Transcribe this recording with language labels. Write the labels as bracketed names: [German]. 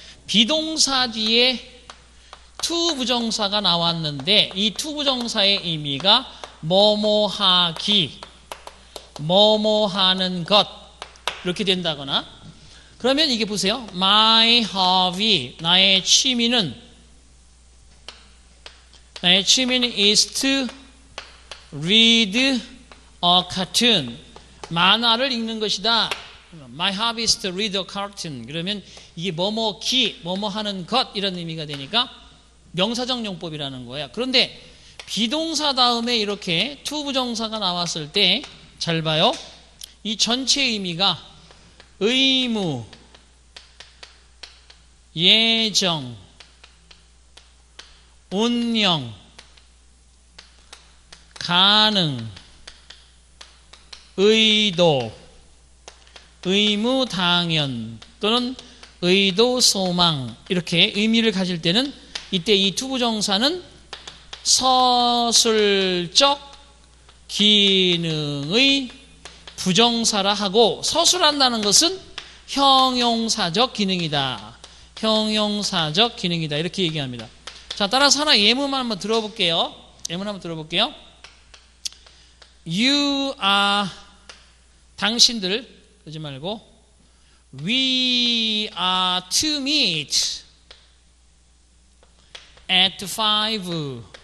[Korean] 비동사 뒤에 투부정사가 나왔는데 이 투부정사의 의미가 뭐뭐하기, 뭐뭐하는 것 이렇게 된다거나, 그러면 이게 보세요. [English] My hobby, [Korean] 나의 취미는, 나의 취미는 [English] is to read a cartoon, [Korean] 만화를 읽는 것이다. [English] My hobby is to read a cartoon. [Korean] 그러면 이게 뭐뭐기, 뭐뭐하는 것 이런 의미가 되니까 명사적 용법이라는 거예요. 그런데 비동사 다음에 이렇게 투부정사가 나왔을 때 잘 봐요. 이 전체 의미가 의무, 예정, 운명, 가능, 의도, 의무 당연 또는 의도 소망, 이렇게 의미를 가질 때는 이때 이 투부정사는 서술적 기능의 부정사라 하고, 서술한다는 것은 형용사적 기능이다. 형용사적 기능이다. 이렇게 얘기합니다. 자, 따라서 하나 예문만 한번 들어볼게요. 예문 한번 들어볼게요. [English] You are, [Korean] 당신들, 그러지 말고, [English] We are to meet at 5.